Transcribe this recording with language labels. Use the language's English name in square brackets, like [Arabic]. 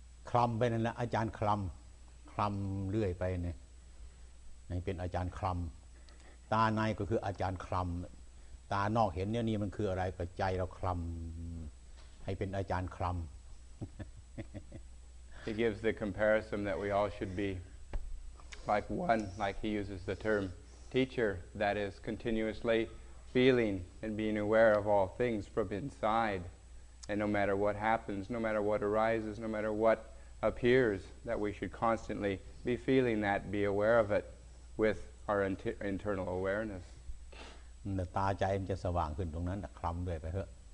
[Thai] คลำไปนั่นแหละอาจารย์คลำคลำเรื่อยไปเนี่ยนี่เป็นอาจารย์คลำตาในก็คืออาจารย์คลำตานอกเห็นเนี่ยนี่มันคืออะไรกับใจเราคลำให้เป็นอาจารย์คลำ [English] He gives the comparison that we all should be like one like he uses the termteacher that is continuously feeling and being aware of all things from inside and no matter what happens no matter what arises no matter what appears that we should constantly be feeling that be aware of it with our internal awareness [Thai] ตาใจมันจะสว่างขึ้นตรงนั้นคลำด้วยไปเถอะ